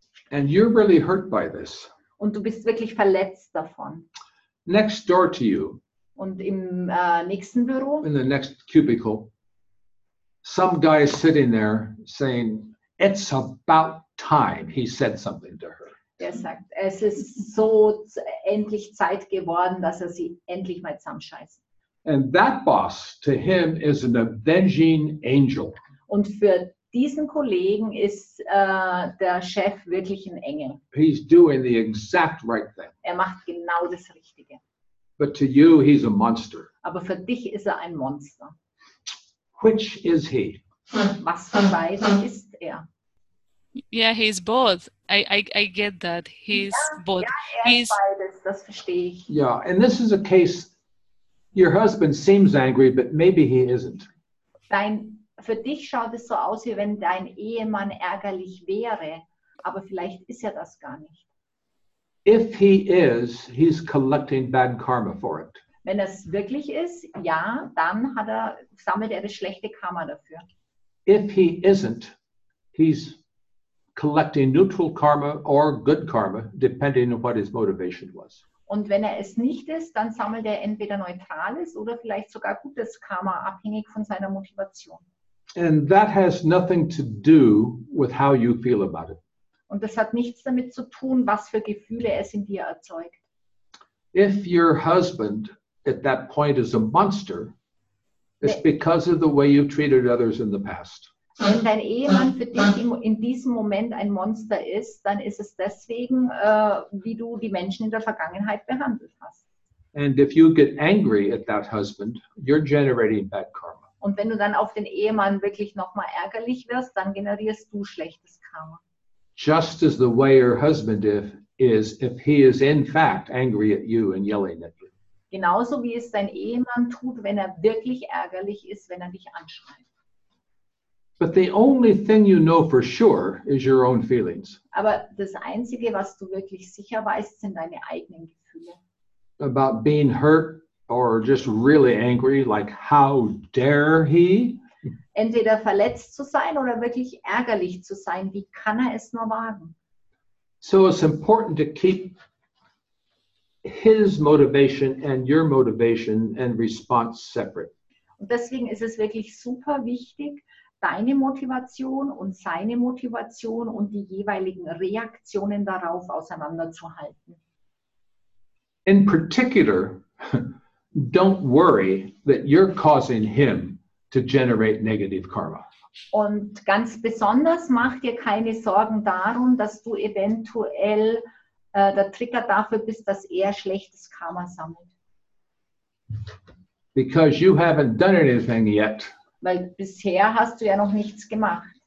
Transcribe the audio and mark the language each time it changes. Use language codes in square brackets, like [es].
[en] And you're really hurt by this. [de] Und du bist wirklich verletzt davon. [en] Next door to you. [de] Und im nächsten Büro. [en] In the next cubicle. Some guy is sitting there saying, it's about time he said something to her. [de] Der sagt, es ist so endlich Zeit geworden, dass er sie endlich mal zusammenscheißt. [en] And that boss to him is an avenging angel. [de] Und für diesen Kollegen ist der Chef wirklich ein Engel. [en] He's doing the exact right thing. [de] Er macht genau das Richtige. [en] But to you, he's a monster. [de] Aber für dich ist er ein Monster. [en] Which is he? [de] Was von beiden ist er? [en] Yeah, he's both. I get that. He's both. [de] Ja, er ist beides. Das verstehe ich. [en] Yeah, and this is a case. Your husband seems angry, but maybe he isn't. [de] Für dich schaut es so aus, wie wenn dein Ehemann ärgerlich wäre, aber vielleicht ist er das gar nicht. [en] If he is, he's collecting bad karma for it. [de] Wenn es wirklich ist, ja, dann sammelt er das schlechte Karma dafür. [en] If he isn't, he's collecting neutral karma or good karma, depending on what his motivation was. [de] Und wenn er es nicht ist, dann sammelt er entweder neutrales oder vielleicht sogar gutes Karma, abhängig von seiner Motivation. [en] And that has nothing to do with how you feel about it. [de] Und das hat nichts damit zu tun, was für Gefühle es in dir erzeugt. [en] If your husband at that point is a monster, it's because of the way you've treated others in the past. [de] Wenn dein Ehemann für dich in diesem Moment ein Monster ist, dann ist es deswegen, wie du die Menschen in der Vergangenheit behandelt hast. [en] And if you get angry at that husband, you're generating bad karma. [de] Und wenn du dann auf den Ehemann wirklich nochmal ärgerlich wirst, dann generierst du schlechtes Karma. [en] Just as the way your husband is, if he is in fact angry at you and yelling at you. [de] Genauso wie es dein Ehemann tut, wenn er wirklich ärgerlich ist, wenn er dich anschreit. [en] But the only thing you know for sure is your own feelings. [de] Aber das Einzige, was du wirklich sicher weißt, sind deine eigenen Gefühle. [en] About being hurt or just really angry, like how dare he? [de] Entweder verletzt zu sein oder wirklich ärgerlich zu sein. Wie kann er es nur wagen? [en] So it's important to keep his motivation and your motivation and response separate. [de] Und deswegen ist es wirklich super wichtig, deine Motivation und seine Motivation und die jeweiligen Reaktionen darauf auseinanderzuhalten. [en] In particular, don't worry that you're causing him to generate negative karma. [de] Und ganz besonders mach dir keine Sorgen darum, dass du eventuell der Trigger dafür bist, dass er schlechtes Karma sammelt. [en] Because you haven't done anything yet. [de] Weil bisher hast du ja noch nichts gemacht.